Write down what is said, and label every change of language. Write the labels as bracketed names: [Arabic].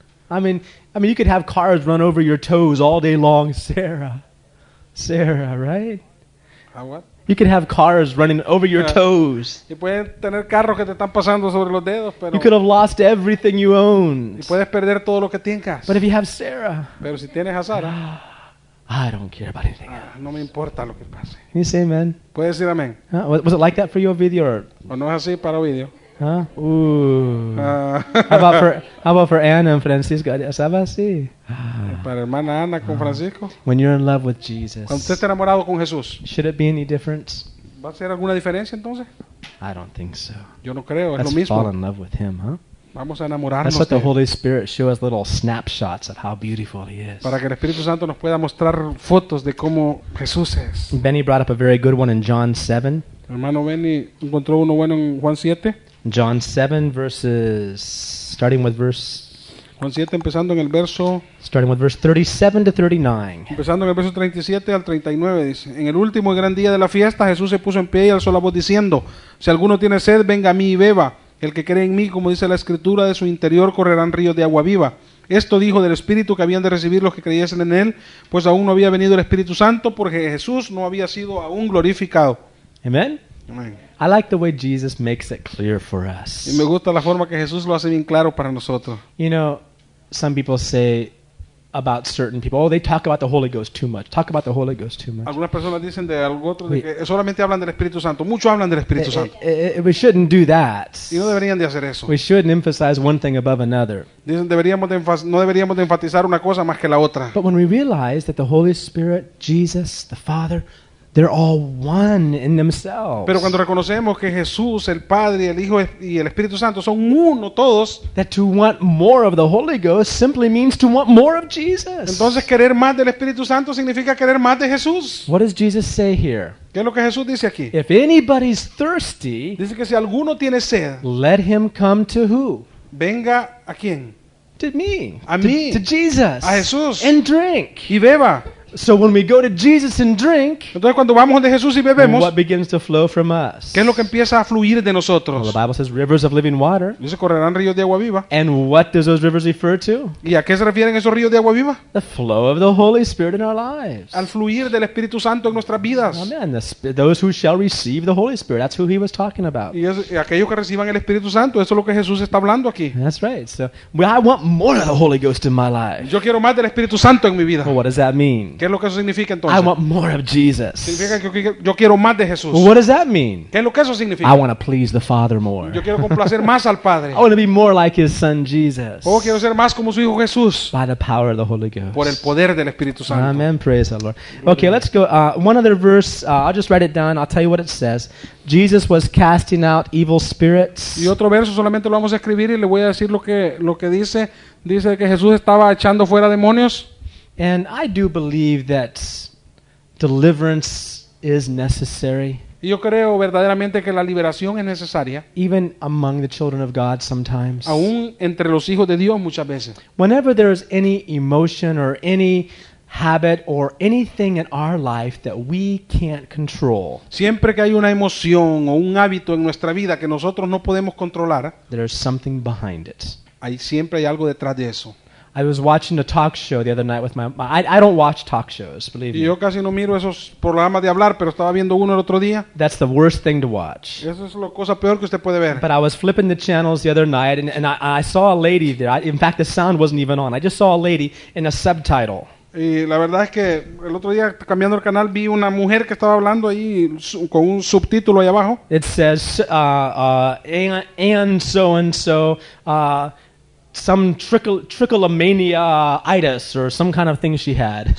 [English] I mean, you could have cars run over your toes all day long, Sarah. Right? What? You could have cars running over your toes. [Spanish] Y pueden tener carros que te están pasando sobre los dedos, pero [English] you could have lost everything you owned. [Spanish] Y puedes perder todo lo que tengas. [English] But if you have Sarah, [Spanish] pero si tienes a Sarah, [English] I don't care about anything else. [Spanish] No me importa lo que pase. [English] Can you say amen? [Spanish] ¿Puedes decir amén? [English] Huh? Was it like that for your video? [Spanish] ¿O no es así para video? [English] Huh? Ooh. How about for Anna and Francisco? [Spanish] ¿Sabe así? Para hermana Ana con Francisco. [English] When you're in love with Jesus. [Spanish] Cuando usted está enamorado con Jesús. [English] Should it be any difference? [Spanish] ¿Va a ser alguna diferencia entonces? [English] I don't think so. [Spanish] Yo no creo, es lo mismo. [English] Fall in love with him, huh? [Spanish] Vamos a enamorarnos. [English] Let's let the Holy Spirit show us little snapshots of how beautiful he is. [Spanish] Para que el Espíritu Santo nos pueda mostrar fotos de cómo Jesús es. [English] Benny brought up a very good one in John 7. [Spanish] Hermano Benny encontró uno bueno en Juan 7. [English] John 7 verses, starting with verse. [Spanish] Juan 7 empezando en el verso. [English] Starting with verse 37 to 39. [Spanish] Empezando en el verso 37 al 39 dice: En el último gran día de la fiesta, Jesús se puso en pie y alzó la voz diciendo: Si alguno tiene sed, venga a mí y beba. El que cree en mí, como dice la Escritura, de su interior correrán ríos de agua viva. Esto dijo del Espíritu que habían de recibir los que creyesen en él, pues aún no había venido el Espíritu Santo, porque Jesús no había sido aún glorificado. Amen. [English] I like the way Jesus makes it clear for us. [Spanish] Y me gusta la forma que Jesús lo hace bien claro para nosotros. [English] You know, some people say about certain people, oh, they talk about the Holy Ghost too much. Talk about the Holy Ghost too much. [Spanish] Algunas personas dicen de algo otro, de que solamente hablan del Espíritu Santo. Mucho hablan del Espíritu Santo. [English] We shouldn't do that. [Spanish] Y no deberían de hacer eso. [English] We shouldn't emphasize one thing above another. [Spanish] Dicen, no deberíamos de enfatizar una cosa más que la otra. [English] But when we realize that the Holy Spirit, Jesus, the Father, they're all one in themselves. [Spanish] Pero cuando reconocemos que Jesús, el Padre, el Hijo y el Espíritu Santo son uno todos, [English] that to want more of the Holy Ghost simply means to want more of Jesus. [Spanish] Entonces querer más del Espíritu Santo significa querer más de Jesús. [English] What does Jesus say here? [Spanish] ¿Qué es lo que Jesús dice aquí? [English] If anybody's thirsty, [Spanish] dice que si alguno tiene sed, [English] let him come to who? [Spanish] Venga a quién? [English] To me. [Spanish] A mí. [English] To Jesus. [Spanish] A Jesús. [English] And drink. [Spanish] Y beba. [English] So when we go to Jesus and drink, [Spanish] entonces cuando vamos donde Jesús y bebemos, [English] what begins to flow from us? [Spanish] ¿Qué es lo que empieza a fluir de nosotros? [English] Well, the Bible says rivers of living water. [Spanish] Dice, correrán ríos de agua viva. [English] And what does those rivers refer to? [Spanish] ¿Y a qué se refieren esos ríos de agua viva? [English] The flow of the Holy Spirit in our lives. [Spanish] Al fluir del Espíritu Santo en nuestras vidas. [English] Amen. Those who shall receive the Holy Spirit, that's who he was talking about. [Spanish] Y aquellos que reciban el Espíritu Santo, eso es lo que Jesús está hablando aquí. [English] That's right. So, well, I want more of the Holy Ghost in my life. [Spanish] Yo quiero más del Espíritu Santo en mi vida. [English] Well, what does that mean? [Spanish] ¿Qué es lo que eso significa entonces? [English] I want more of Jesus. [Spanish] Significa que yo quiero más de Jesús. [English] Well, what does that mean? [Spanish] ¿Qué es lo que eso significa? [English] I want to please the Father more. [Spanish] Yo quiero complacer más al Padre. [English] I want to be more like his son Jesus. [Spanish] Oh, quiero ser más como su hijo Jesús. [English] By the power of the Holy Ghost. [Spanish] Por el poder del Espíritu Santo. [English] Amen. Praise the Lord. Okay, let's go. One other verse. I'll just write it down. I'll tell you what it says. Jesus was casting out evil spirits. [Spanish] Y otro verso solamente lo vamos a escribir y le voy a decir lo que dice. Dice que Jesús estaba echando fuera demonios. [English] And I do believe that deliverance is necessary. [Spanish] Yo creo verdaderamente que la liberación es necesaria. [English] Even among the children of God sometimes. [Spanish] Aún entre los hijos de Dios muchas veces. [English] Whenever there is any emotion or any habit or anything in our life that we can't control. [Spanish] Siempre que hay una emoción o un hábito en nuestra vida que nosotros no podemos controlar, [English] there is something behind it. [Spanish] Siempre hay algo detrás de eso. [English] I was watching a talk show the other night with my I don't watch talk shows, believe me. [Spanish] Yo casi no miro esos programas de hablar, pero estaba viendo uno el otro día. [English] That's the worst thing to watch. [Spanish] Eso es la cosa peor que usted puede ver. [English] But I was flipping the channels the other night and I saw a lady there. In fact, the sound wasn't even on. I just saw a lady in a subtitle. [Spanish] Y la verdad es que el otro día cambiando el canal vi una mujer que estaba hablando ahí con un subtítulo ahí abajo. [English] It says and so and so some trichotillomaniaitis or some kind of thing she had.